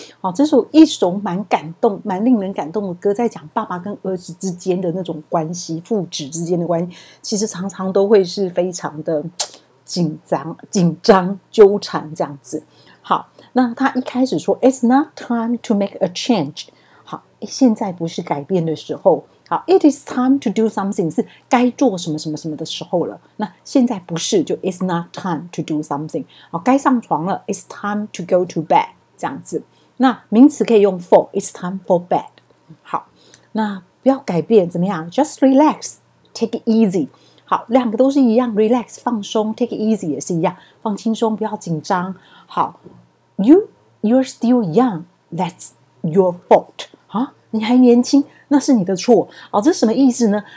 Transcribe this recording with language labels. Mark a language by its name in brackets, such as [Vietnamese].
[Chinese] 好，这首一首蛮感动蛮令人感动的歌，在讲爸爸跟儿子之间的那种关系，父子之间的关系，其实常常都会是非常的紧张纠缠这样子。好，那他一开始说 [English] It's not time to make a change， [Chinese] 现在不是改变的时候，好 ， [English] It is time to do something， [Chinese] 是该做什么什么什么的时候了。那现在不是，就 [English] It's not time to do something。 [Chinese] 好，该上床了 ， [English] It's time to go to bed， [Chinese] 这样子。那名词可以用 for， [English] It's time for bed。 [Chinese] 好，那不要改变，怎么样 ？ [English] Just relax，take it easy。 [Chinese] 好，两个都是一样 ，relax 放松 ， [English] take it easy [Chinese] 也是一样，放轻松，不要紧张。好 ， [English] You're still young，That's your fault。 [Chinese] 啊，你还年轻，那是你的错。哦，这什么意思呢？